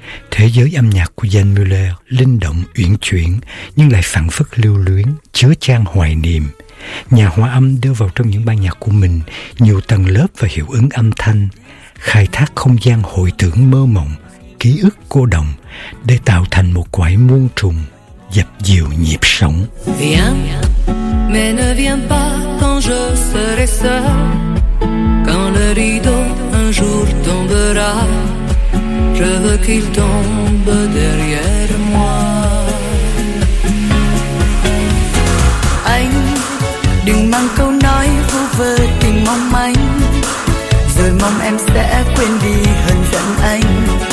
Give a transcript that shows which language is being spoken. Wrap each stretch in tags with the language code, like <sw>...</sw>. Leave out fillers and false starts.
<vi>Thế giới âm nhạc của Jan Muller linh động uyển chuyển nhưng lại phảng phất lưu luyến, chứa chan hoài niệm. Nhà hòa âm đưa vào trong những bài nhạc của mình nhiều tầng lớp và hiệu ứng âm thanh, khai thác không gian hồi tưởng mơ mộng, ký ức cô đồng để tạo thành một quải muôn trùng dập dìu nhịp sống.</vi> <fr>Viens, mais ne viens pas quand je serai seul. Quand le rideau un jour tombera, je veux qu'il tombe derrière moi.</fr> <vi>Anh, đừng mang câu nói vu vơ tình mong manh, rồi mong em sẽ quên đi hờn giận anh.</vi>